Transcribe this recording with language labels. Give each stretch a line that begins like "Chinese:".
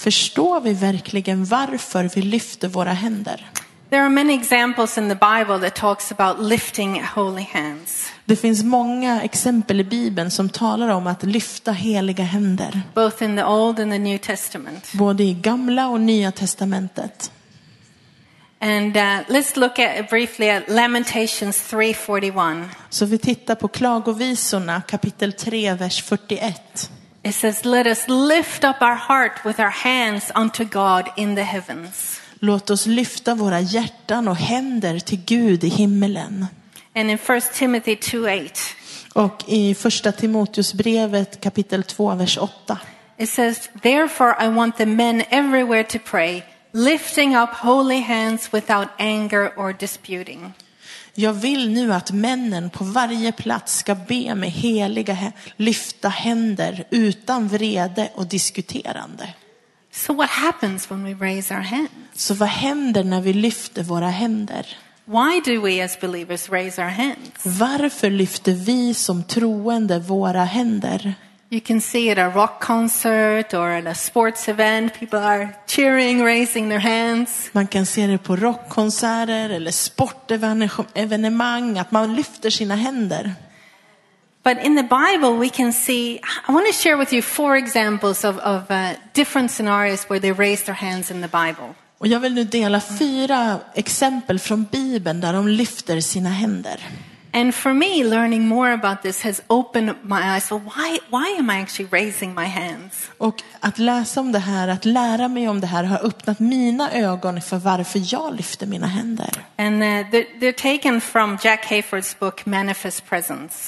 Swedish: Förstår vi verkligen varför vi lyfter våra händer?
English: There are many examples in the Bible that talks about lifting holy hands.
Swedish: Det finns många exempel i Bibeln som talar om att lyfta heliga händer.
English: Both in the Old and the New Testament.
Swedish: Både i Gamla och Nya testamentet.
English: And let's look at briefly at Lamentations 3:41.
Swedish: Så vi tittar på Klagovisorna kapitel 3 vers 41.
English: It says let us lift up our heart with our hands unto God in the heavens.
Swedish: Låt oss lyfta våra hjärtan och händer till Gud i himmelen.
English: And in 1 Timothy 2:8.
Swedish: Och i första Timoteus brevet kapitel 2 vers 8.
English: It says therefore I want the men everywhere to pray lifting up holy hands without anger or disputing.
Swedish: Jag vill nu att männen på varje plats ska be med heliga lyfta händer utan vrede och diskuterande.
English: So what happens when we raise our hands?
Swedish: Så vad händer när vi lyfter våra händer?
English: Why do we as believers raise our hands?
Swedish: Varför lyfter vi som troende våra händer?
English: You can see at a rock concert or at a sports event, people are cheering, raising their hands.
Swedish: Man kan se det på rockkonserter eller sportevenemang att man lyfter sina händer.
English: But in the Bible we can see, I want to share with you four examples of different scenarios where they raised their hands in the Bible.
Swedish: Och jag vill nu dela fyra exempel från Bibeln där de lyfter sina händer.
English: And for me learning more about this has opened my eyes. So why am I actually raising my hands?
Swedish: Och att läsa om det här, att lära mig om det här har öppnat mina ögon för varför jag lyfter mina händer.
English: And they're taken from Jack Hayford's book Manifest Presence.